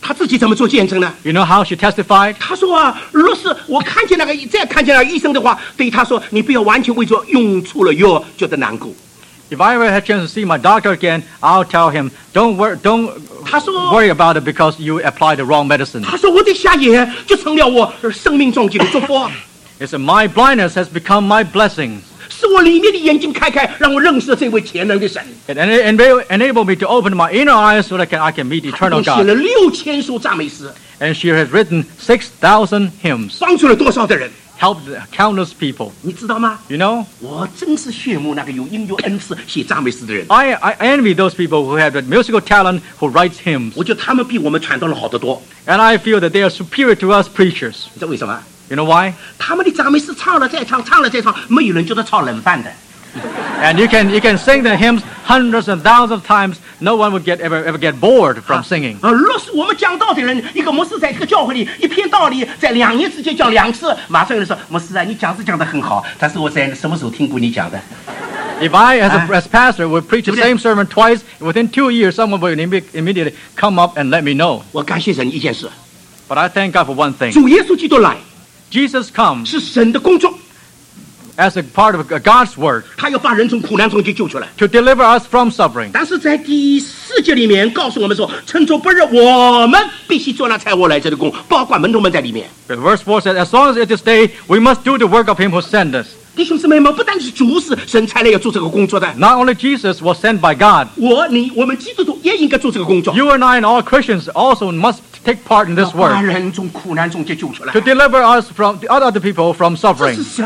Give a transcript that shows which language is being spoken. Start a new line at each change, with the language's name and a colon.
English: You know how she testified? She said, If I ever had a chance to see my doctor again, I'll tell him, don't worry about it because you apply the wrong medicine.
Chinese: 他说我的瞎眼就成了我生命中的祝福。
English: He said, my blindness has become my blessing.
Chinese: 使我里面的眼睛开开，让我认识这位全能的神。
English: And it enabled me to open my inner eyes so that I can meet eternal God.
Chinese: 他写了6000首赞美诗。
English: And she has written 6,000 hymns.
Chinese: 帮助了多少的人？
English: Helped countless people.
Chinese: 你知道吗？
English: You know?
Chinese: 我真是羡慕那个有音乐恩赐写赞美诗的人。
English: I envy those people who have that musical talent who writes hymns.
Chinese: 我觉得他们比我们传道人好得多。
English: And I feel that they are superior to us preachers.
Chinese: 你知道为什么？
English: You know why?
Chinese: 他们的赞美诗唱了再唱，唱了再唱，没有人觉得炒冷饭的。
English: And you can sing the hymns hundreds and thousands of times. No one would ever get bored from singing.
Chinese: 啊，若是我们讲道的人，一个牧师在一个教会里，一篇道理在两年之间讲两次，马上有人说，牧师啊，你讲是讲得很好，但是我在什么时候听过你讲的？
English: If I, as pastor, would preach the same sermon twice within 2 years, someone would immediately come up and let me know.
Chinese: 我感谢神一件事。
English: But I thank God for one thing.
Chinese: 主耶稣基督来。
English: Jesus come.
Chinese: 是神的工作。
English: As a part of God's work,
Chinese: 他要把人从苦难中救出来
English: to deliver us from suffering.
Chinese: 但是在第四节里面告诉我们说，趁着不热，我们必须做那差我来这的工，包括门徒们在里面。
English: Verse 4 says, as long as it is day, we must do the work of Him who sent us.
Chinese: 弟兄姊妹们，不单是主是神差来要做这个工作的。
English: Not only Jesus was sent by God.
Chinese: 我们基督徒也应该做这个工作。
English: You and I and all Christians also must. Take part in this work to deliver us from the other people from suffering.